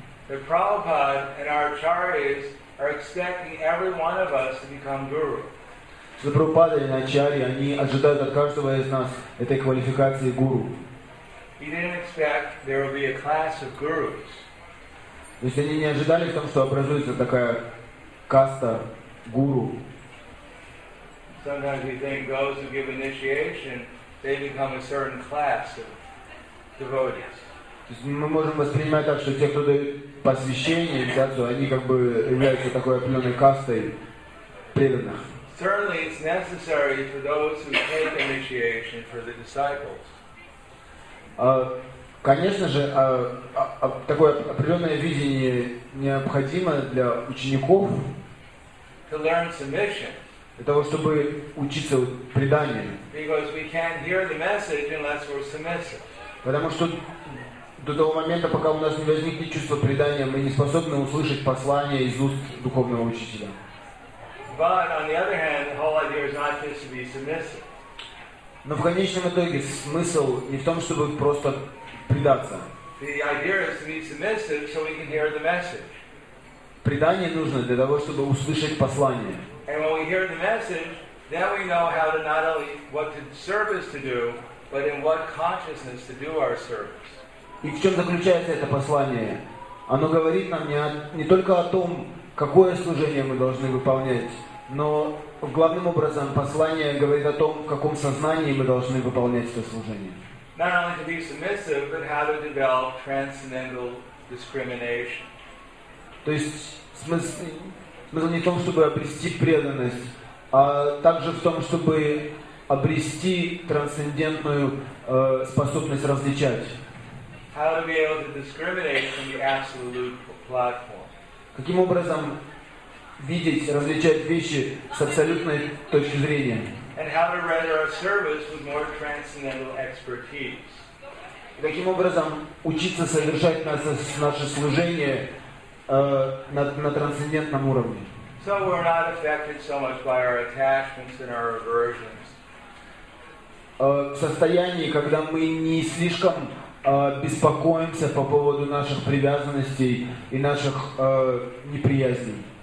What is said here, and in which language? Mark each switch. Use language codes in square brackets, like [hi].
[en] that Prabhupada and our acharyas are expecting every one of us to become guru. [ru] Что Прабхупада и Ачарьи, они ожидают от каждого из нас этой квалификации гуру. [en] He didn't expect there will be a class of gurus. [ru] То есть они не ожидали в том, что образуется такая каста гуру. [en] Sometimes we think those who give initiation, they become a certain class of devotees. [ru] То есть мы можем воспринимать так, что те, кто дают посвящение, они как бы являются такой определенной кастой преданных. [en] Certainly, it's necessary for those who take initiation for the disciples. [ru] Конечно же, такое определенное видение необходимо для учеников. [en] To learn submission. [ru] Для того, чтобы учиться преданию. [en] Because we can't hear the message unless we're submissive. [ru] Потому что до того момента, пока у нас не возникнет чувство предания, мы не способны услышать послание из уст духовного учителя. [en] But on the other hand, the whole idea is not just to be submissive. [ru] Но в конечном итоге смысл не в том, чтобы просто предаться. [en] The idea is to be submissive so we can hear the message. [ru] Предание нужно для того, чтобы услышать послание. [en] And when we hear the message, then we know how to not only what to service to do, but in what consciousness to do our service. [ru] И в чем заключается это послание? Оно говорит нам не только о том, какое служение мы должны выполнять, но главным образом послание говорит о том, в каком сознании мы должны выполнять это служение. [en] Not only to be submissive, but how to develop transcendental discrimination. [ru] То есть смысл не в том, чтобы обрести преданность, а также в том, чтобы обрести трансцендентную способность различать. [en] How to be able to discriminate from the absolute platform. [ru] Каким образом видеть, различать вещи с абсолютной точки зрения? [en] And how to render our service with more transcendental expertise. [ru] И каким образом учиться совершать наше служение на трансцендентном уровне? [en] So we're not affected so much by our attachments and our aversions. [ru] В состоянии, когда мы не слишком беспокоимся по поводу наших привязанностей и наших неприязней.